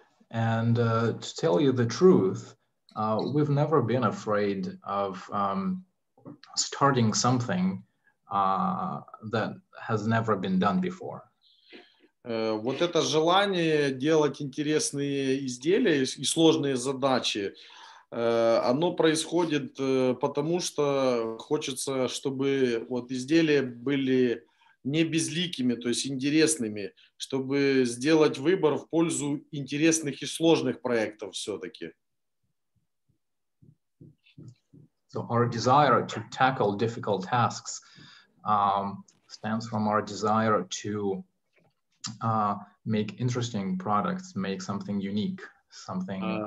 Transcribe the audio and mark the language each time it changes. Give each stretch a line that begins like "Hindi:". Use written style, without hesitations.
English: And to tell you the truth, we've never been afraid of starting something that has never been done before.
Russian: Вот это желание делать интересные изделия и сложные задачи, оно происходит потому, что хочется, чтобы вот изделия были не безликими, то есть интересными, чтобы сделать выбор в пользу интересных и сложных проектов все-таки.
English: So our desire to tackle difficult tasks stems from our desire to make interesting products, make something unique, something.